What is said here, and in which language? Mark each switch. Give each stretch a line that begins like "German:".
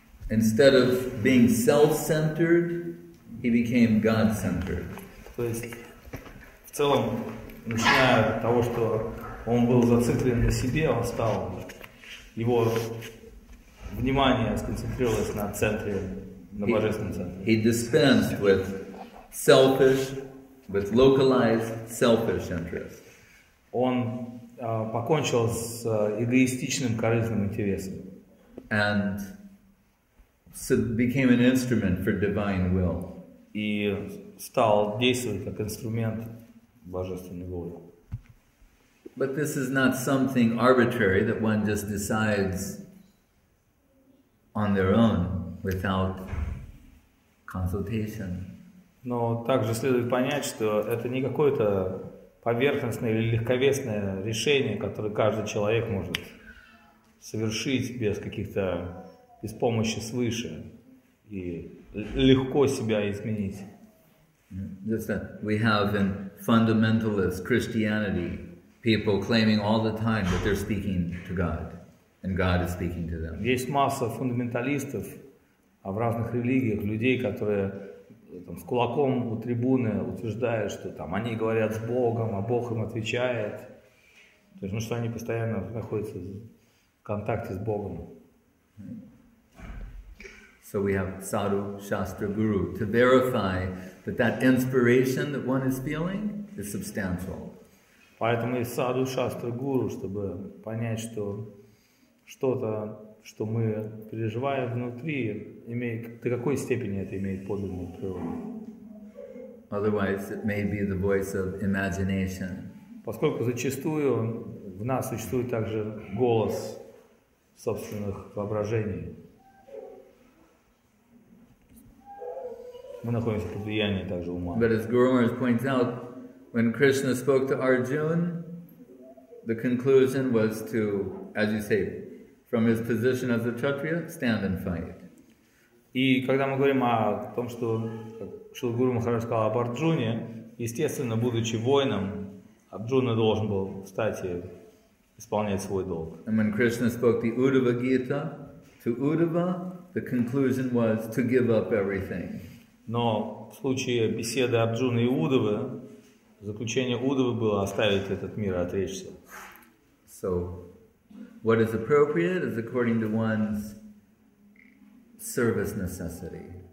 English: Instead of being self-centered, he became God-centered.
Russian: То есть в целом, начиная от того, что он был зациклен на себе, он стал, его внимание сконцентрировалось на центре, на божественном центре.
English: He dispensed with selfish, with localized selfish interest.
Russian: Он покончил с эгоистичным корыстным интересом.
English: And so became an instrument for divine will.
Russian: И стал действовать как инструмент божественной воли.
English: But this is not something arbitrary that one just decides on their own without consultation.
Russian: Но также следует понять, что это не какое-то поверхностное или легковесное решение, которое каждый человек может совершить без каких-то, без помощи свыше и легко себя изменить.
English: Just that we have in fundamentalist Christianity people claiming all the time that they're speaking to God and God is speaking to them.
Russian: Есть масса фундаменталистов в разных религиях, людей, которые там, с кулаком у трибуны утверждают, что там они говорят с Богом, а Бог им отвечает. То есть, ну что, они постоянно находятся в контакте с Богом.
English: So we have sadhu, shastra, guru to verify that that inspiration that one is feeling is substantial.
Russian: Поэтому есть sadhu, shastra, guru, чтобы понять, что что-то, что мы переживаем внутри, имеет, до какой степени это имеет подлинную природу.
English: Otherwise, it may be the voice of imagination.
Russian: Поскольку зачастую в нас существует также голос собственных воображений. Мы находимся под влиянием также ума.
English: But as Guru Maharaj points out, When Krishna spoke to Arjuna, the conclusion was to, as you say, from his position as a kshatriya, stand and fight.
Russian: И когда мы говорим о том, что Шрила Гуру Махарадж сказал об Арджуне, естественно, будучи воином, Арджуна должен был встать и исполнять свой долг.
English: And when Krishna spoke the Uddhava Gita to Uddhava, the conclusion was to give up everything.
Russian: Но в случае беседы Арджуны и Уддхавы, заключение Уддхавы было оставить этот мир и отречься.
English: So, what is appropriate is according to one's service necessity.